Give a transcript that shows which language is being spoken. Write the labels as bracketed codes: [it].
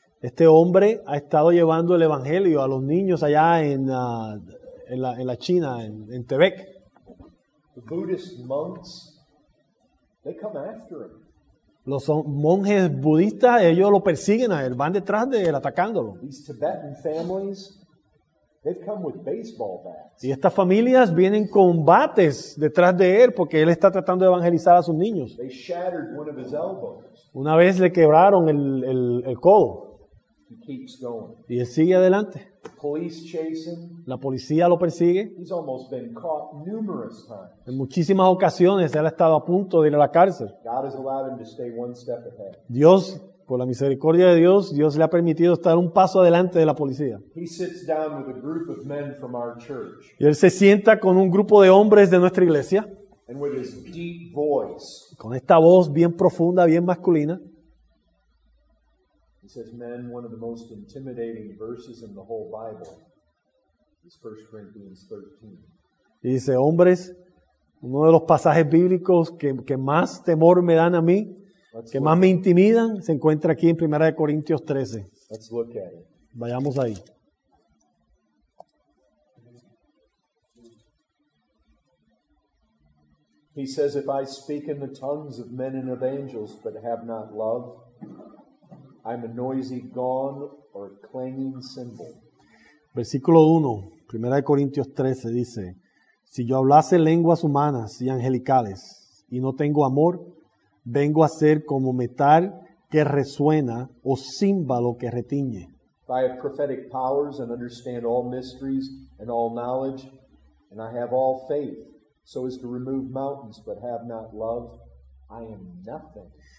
[es] Este hombre ha estado llevando el evangelio a los niños allá en la China, en Tibet. [en] The Buddhist monks, they come after him. [es] Los monjes budistas, ellos lo persiguen a él, van detrás de él atacándolo. [en] These Tibetan families, they've come with baseball bats. [es] Y estas familias vienen con bates detrás de él porque él está tratando de evangelizar a sus niños. [en] They shattered one of his elbows. [es] Una vez le quebraron el codo. [en] He keeps going. [es] Y él sigue adelante. [en] Police chase him. [es] La policía lo persigue. [en] He's almost been caught numerous times. [es] En muchísimas ocasiones él ha estado a punto de ir a la cárcel. [en] God has allowed him to stay one step ahead. [es] Dios, por la misericordia de Dios, Dios le ha permitido estar un paso adelante de la policía. [en] He sits down with a group of men from our church. [es] Y él se sienta con un grupo de hombres de nuestra iglesia. [en] And with his deep voice, [es] con esta voz bien profunda, bien masculina. [en] He says, "Men, one of the most intimidating verses in the whole Bible is 1 Corinthians 13." [es] Y dice, hombres, uno de los pasajes bíblicos que más temor me dan a mí, que más me intimidan, se encuentra aquí en 1 Corintios 13. [en] Let's look at it. [es] Vayamos ahí. [en] He says, "If I speak in the tongues of men and of angels, but have not love, I'm a noisy gong or clanging cymbal." [es] Versículo 1, 1 Corintios 13 dice, "Si yo hablase lenguas humanas y angelicales y no tengo amor, vengo a ser como metal que resuena o címbalo que retiñe." [en] "If I have prophetic powers and understand all mysteries and all knowledge, and I have all faith, so as to remove mountains but have not love, I am nothing."